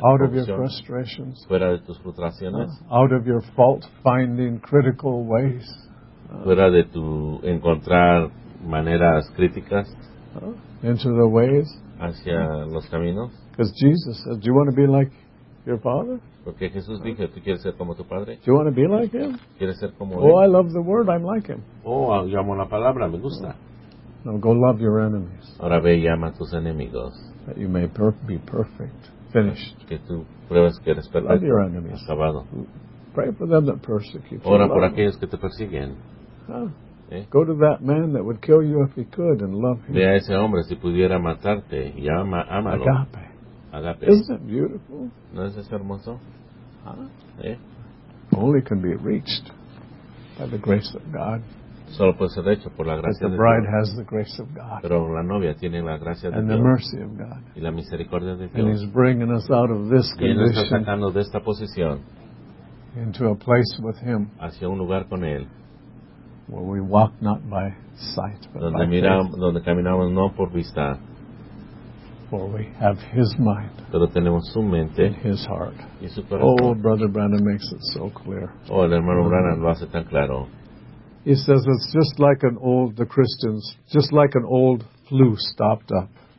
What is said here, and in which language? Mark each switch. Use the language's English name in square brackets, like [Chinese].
[English] out of your frustrations? [Spanish] Fuera de tus frustraciones? [English] Out of your fault-finding critical ways? [Spanish] Fuera de tu encontrar maneras críticas? [English] Into the ways? [Spanish] Hacia los caminos? [English] Because Jesus said, do you want to be like your father? [Spanish] Porque Jesús dijo, ¿tú quieres ser como tu padre? [English] Do you want to be like him? [Spanish] ¿Quieres ser como oh, él? [English] I love the word, I'm like him. [Spanish] Oh, yo amo la palabra, me gusta. [English] No, go love your enemies. [Spanish] Ahora ve y ama a tus enemigos. [English] That you may be perfect, finished. [Spanish] Que tú pruebes que eres perfecto. [English] Love your enemies. [Spanish] Acabado. [English] Pray for them that persecute you. [Spanish] Ora por aquellos que te persiguen. [English] Go to that man that would kill you if he could and love him. [Spanish] Ve a ese hombre si pudiera matarte y ámalo. [English] Agape. [Spanish] agape. [English] Isn't it beautiful? [Spanish] ¿No es eso hermoso? [English] Only can be reached by the grace of God. [Spanish] Solo puede ser hecho por la gracia de Dios. [English] Has the grace of God. [Spanish] Pero la novia tiene la gracia [English] and [Spanish] de Dios. [English] The mercy of God. [Spanish] Y la misericordia de Dios. [English] And he's bringing us out of this [Spanish] y nos está sacando de esta posición [English] into a place with him [Spanish] hacia un lugar con él. [English] Where we walk not by sight, but [Spanish] donde [English] by [Spanish] miramos, [English] faith. [Spanish] Donde caminamos no por vista. [English] For we have his mind. [Spanish] Pero tenemos su mente. [English] And his heart. [Spanish] Y su corazón. [English] Oh, Brother Branham makes it so clear. [Spanish] Oh, el hermano Branham lo hace tan claro. [English] He says it's just like an old, the Christians, just like an old flu stopped up.